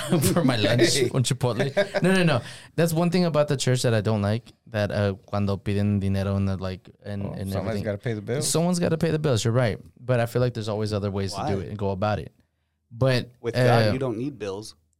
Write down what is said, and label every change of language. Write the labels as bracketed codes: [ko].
[en] for my lunch on Chipotle. No. That's one thing about the church that I don't like. [es] That cuando piden dinero and [en] Somebody's got to pay the bills. Someone's got to pay the bills. You're right. But I feel like there's always other ways to do it and go about it. But with God, you don't need bills.